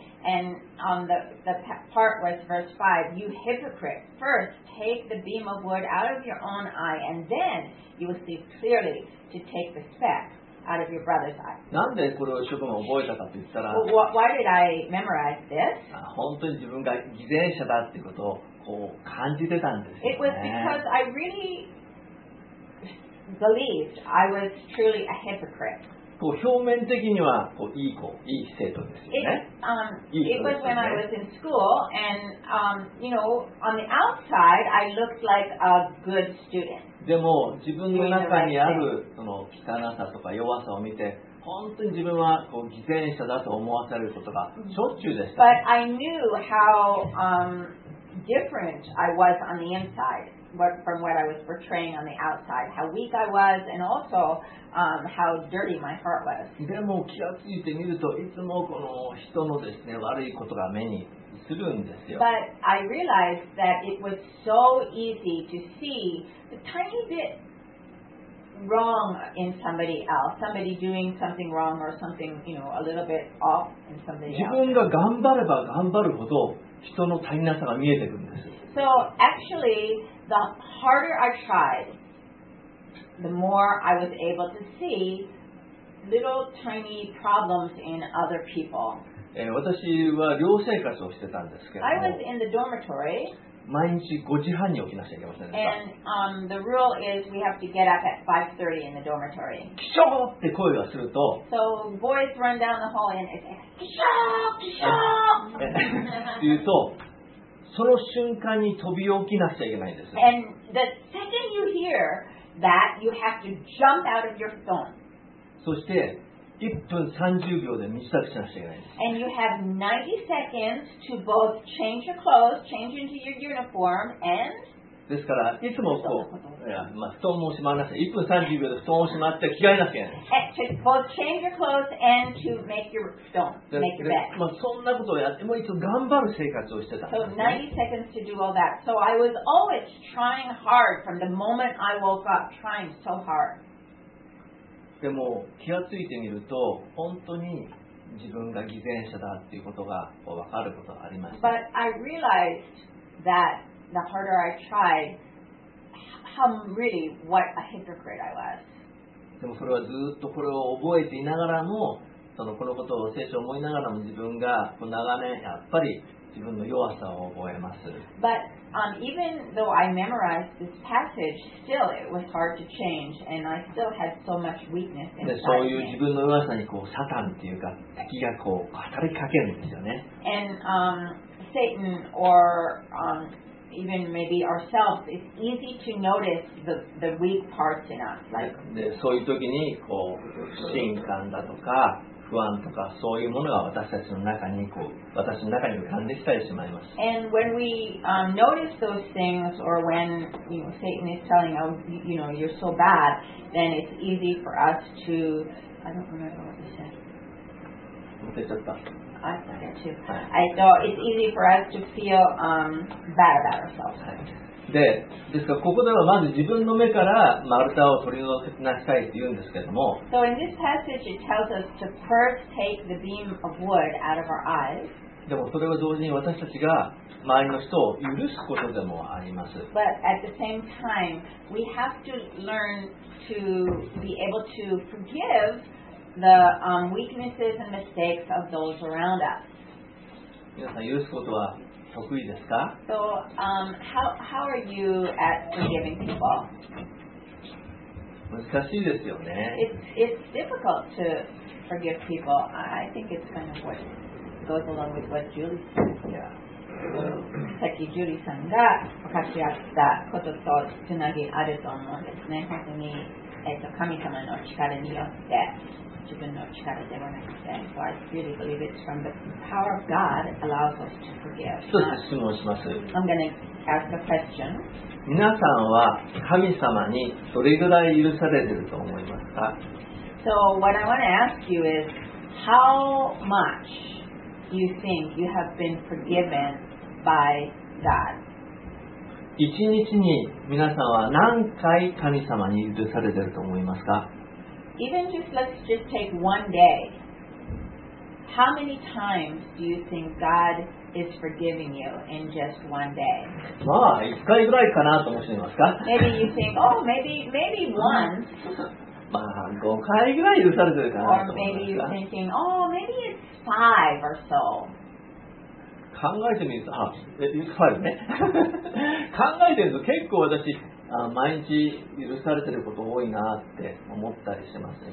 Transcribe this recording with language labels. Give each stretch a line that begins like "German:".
English: And on the part was verse 5, you hypocrite, first take the beam of wood out of your own eye, and then you will see clearly to take the speck. Out of your brother's eye.
Japanese: なんでこれを一生懸命覚えたかって言ったら、
English: Why did I memorize this?
Japanese: 本当に自分が偽善者だってことをこう感じてたんですよね。
English: It was because I really believed I was truly a hypocrite.
Japanese: こう表面的にはこういい子、いい生徒ですよね。
English: It was when I was in school, and you know, on the outside, I looked like a good student.
Japanese: でも自分の中にあるその汚さとか弱さを見て本当に自分はこう偽善者だと思わされることがしょっちゅうでした。
English: But I knew how different I was on the inside from what I was portraying on the outside. How weak I was and also how dirty my heart was.
Japanese: でも気がついてみるといつもこの人のですね悪いことが目にするんですよ。
English: But I realized that it was so easy to see a tiny bit wrong in somebody else, somebody doing something wrong or something, you know, a little bit off in somebody else.
Japanese: 自分が頑張れば頑張るほど人の足りなさが見えてくるんです。
English: So actually, the harder I tried, the more I was able to see little tiny problems in other people.
Japanese: 私は寮生活をしてたんですけども
English: I was in the dormitory,
Japanese: 毎日5時半に起きなきゃいけませんでした
English: and, the rule is we have to get up at 5:30 in the dormitory
Japanese: キショーって声がすると
English: So boys run down the hall and say キショーキショ
Japanese: ーって言うとその瞬間に飛び起きなきゃいけないんです
English: and the second you hear that you have to jump out of your phone
Japanese: そして1分30秒で身支度しなきゃいけないです。
English: And you have 90 seconds to both change your clothes, change into your uniform, and
Japanese: ですからいつもこう、布団もしまわなきゃ、1分30秒で布団をしまって着替えなきゃいけない。
English: And to both change your clothes and to make your stone, make your bed.
Japanese: まあそんなことをやって、もう一度頑張る生活をしてたんです
English: ね。So 90 seconds to do all that. So I was always trying hard from the moment I woke up, trying so hard.
Japanese: でも気がついてみると本当に自分が偽善者だっていうことが分かることがありました。
English: But I realized that the harder I tried, how really what a hypocrite I was.
Japanese: でもそれはずっとこれを覚えていながらも、そのこのことを聖書を思いながらも自分が長年やっぱり自分の弱さを覚えます。
English: Buteven though I memorized this passage, still it was hard to change, and I still had so much weakness in me.
Japanese: そういう自分の弱さにこうサタンっていうか敵がこう働きかけるんですよね。
English: And Satan or even maybe ourselves, it's easy to notice the weak parts in us. Like
Japanese: でそういう時にこう不信感だとか。不安とかそういうものが私たちの中にこう私の中に浮かんできたりしまいます。
English: And when we notice those things, or when you know, Satan is telling you, you know, you're so bad, then it's easy for us to I don't remember what you said.
Japanese: 忘れちゃった。
English: I forget too. I so it's easy for us to feel bad about ourselves.、
Japanese: はい、で、ですからここではまず自分の目から丸太を取り除きなさいって言うんですけども。
English: So in this passage it tells us to first take the beam of wood out of our eyes.
Japanese: でもそれは同時に私たちが周りの人を許すことでもあります。
English: But at the same time, we have to learn to be able to forgive the weaknesses and mistakes of those around us.
Japanese: 皆さん許すことは得意ですか?
English: So, how are you at forgiving people?
Japanese: 難しいですよね。
English: It's difficult to forgive people. I think it's kind of what goes along with what Julie said. Yeah.
Japanese: さっき Julie さんが書き合ったこととつなぎあると思うんですね。本当に、神様の力によって自分の力ではなくて、
English: so I really believe it's from the power of God allows us to forgive.
Japanese: 一つ質問します。
English: I'm gonna ask a question.
Japanese: 皆さんは神様にどれぐらい許されていると思いますか
English: ？So what I want to ask you is how much you think you have been forgiven by God.
Japanese: 一日に皆さんは何回神様に許されていると思いますか?
English: Even just let's just take one day. How many times do you think God is forgiving you in just one day?
Japanese: まあ、一回ぐらいかなと申しますか?
English: Maybe you think, oh, maybe once.
Japanese: まあ、五回ぐらい許されているかなと思いますか?
English: Or maybe you're thinking, oh, maybe it's five or so.
Japanese: 考えてみると、あ、
English: It's fine
Japanese: ね。考えてみると結構私あ毎日許されてること多いなって思ったりしてます、ね。